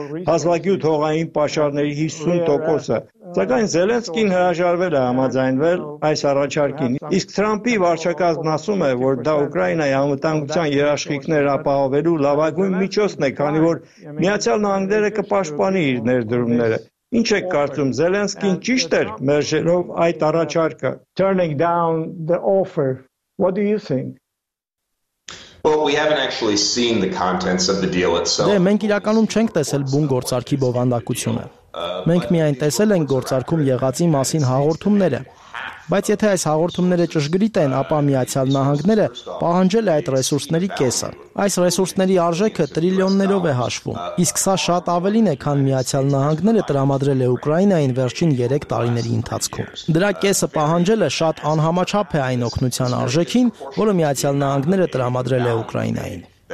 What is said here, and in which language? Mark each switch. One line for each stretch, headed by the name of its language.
Armenian: հազվագյուտ հողային պաշարների 50%-ը։ Սակայն Զելենսկին հրաժարվել է համաձայնվել այս առաջարկին, իսկ Թրամփի վարչակազմն ասում է, որ դա Ուկրաինայի անվտանգության երաշխիքներ ապահովելու լավագույն միջոցն է, քանի որ Միացյալ Նահանգները կպաշտպանի իր ներդրումները։ Ինչ եք կարծում, Զելենսկին ճիշտ էր մերժելով այդ առաջարկը?
English: Turning down the offer. What do you think? Well, we haven't actually seen the contents of the deal itself.
Armenian: Դե, մենք իրականում չենք տեսել բուն գործարքի բովանդակությունը։ Մենք միայն տեսել ենք գործարքում եղածի մասին հաղորդումները։ Բայց եթե այս հաղորդումները ճշգրիտ են, ապա Միացյալ Նահանգները պահանջել է այդ ռեսուրսների կեսը։ Այս ռեսուրսների արժեքը տրիլիոններով է հաշվում, իսկ սա շատ ավելին է, քան Միացյալ Նահանգները տրամադրել է Ուկրաինային վերջին 3 տարիների ընթացքում։ Դրա կեսը պահանջելը շատ անհամաչափ է այն օգնության արժեքին, որը Միացյալ Նահանգները տրամադրել է Ուկրաինային։